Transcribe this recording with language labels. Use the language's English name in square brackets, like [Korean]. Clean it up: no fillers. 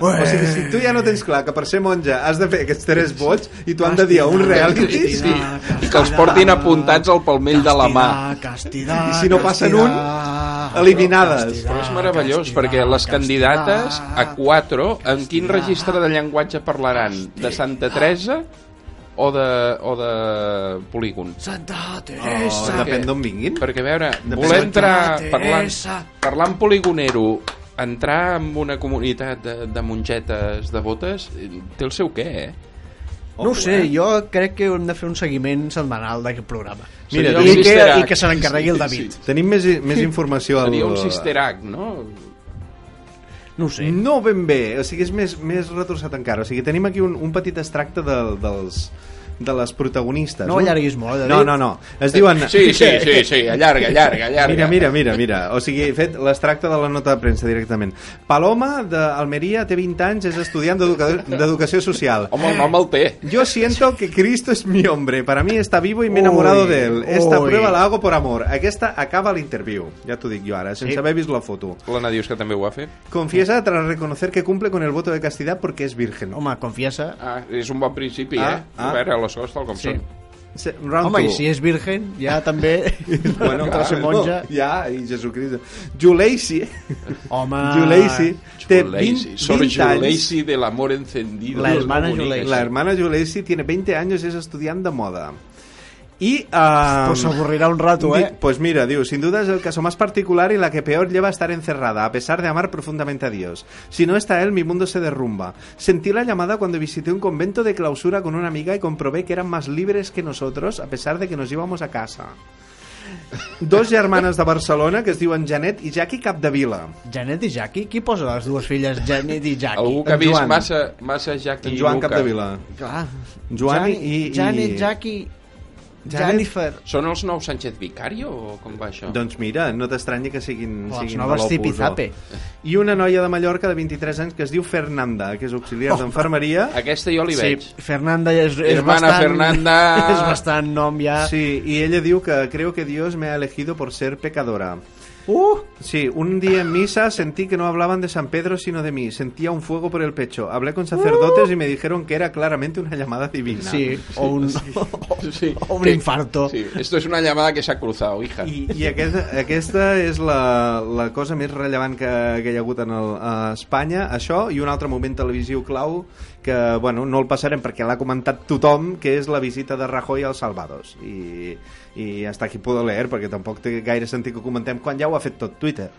[Catalan] O sigui, si tu ja no tens clar que per ser monja has de fer aquests 3 vots i tu han de dir a un reality, sí, i que els portin apuntats al palmell de la mà, castidat, i si no passen un, eliminades. Però és meravellós, castidà, perquè les castidà, candidates a 4, en quin registre de llenguatge parlaran? De Santa Teresa o de polígon. Santa Teresa. Oh, depèn d'on vinguin. Perquè a veure, voler entrar parlant poligonero, entrar en una comunitat de mongetes devotes, té el seu què, eh? No ho sé, jo crec que hem de fer un seguiment setmanal d'aquest programa. Mira, i que se n'encarregui el David. Sí. Tenim més informació. Seria un sister act, no? No ho sé. No ben bé, o sigui, és més retorçat encara. O sigui, tenim aquí un petit extracte dels de les protagonistes. No allarguis molt, David. No. Es diuen... Sí, allarga. Mira. O sigui, fet, l'extracte de la nota de premsa directament. Paloma, d'Almeria, té 20 anys, és estudiant d'educació social. Home, el nom el té. [Spanish] Yo siento que Cristo es mi hombre. Para mí está vivo y me he enamorado de él. Esta prueba la hago por amor. [Catalan] Aquesta acaba l'interviu. Ja t'ho dic jo ara, sense haver vist la foto. L'Anna dius que també ho va fer. [Spanish] Confiesa tras reconocer que cumple con el voto de castidad porque es virgen. [Catalan] Home, confiesa. Ah, és un bon principi, eh? A veure, les coses tal com són. Home, i si és virgen, ja també bueno, entre ser monja. No, ja, i Jesucrist. Juleisi. Home. Juleisi. Té 20 anys. Juleisi de l'amor encendido. [Spanish] La hermana Juleisi. La hermana Juleisi tiene [Catalan] 20 anys i és estudiant de moda. I... [Spanish] Pues aburrirá un rato, eh? Pues mira, diu, sin duda es el caso más particular y la que peor lleva a estar encerrada, a pesar de amar profundamente a Dios. Si no está él, mi mundo se derrumba. Sentí la llamada cuando visité un convento de clausura con una amiga y comprobé que eran más libres que nosotros, a pesar de que nos íbamos a casa. [Catalan] Dos germanes de Barcelona que es diuen Janet i Jackie Capdevila. Janet i Jackie? Qui posa les dues filles Janet i Jackie? Algú que ha vist massa Jackie en Joan Capdevila. Joan i... Janet, Jackie... Jennifer. Són els nous Sánchez Vicario o com va això? Doncs mira, no t'estranyi que siguin, noves tipizape. I una noia de Mallorca de 23 anys que es diu Fernanda, que és auxiliar d'enfermeria. Aquesta jo li veig. Sí, Fernanda és bastant, Fernanda. És bastant nom ja. Sí, i ella diu [Spanish] que creo que Dios me ha elegido por ser pecadora. Sí, un día en misa sentí que no hablaban de San Pedro sino de mí. Sentía un fuego por el pecho. Hablé con sacerdotes y me dijeron que era claramente una llamada divina. Sí, o un, sí. O un infarto. Sí, esto es una llamada que se ha cruzado, hija. [Catalan] I aquesta és la cosa més rellevant que hi ha hagut a Espanya. Això i un altre moment televisiu clau que, bueno, no el passarem perquè l'ha comentat tothom, que és la visita de Rajoy als Salvados. I [Spanish] hasta aquí puedo leer, [Catalan] perquè tampoc té gaire sentit que ho comentem quan ja ho ha fet tot Twitter.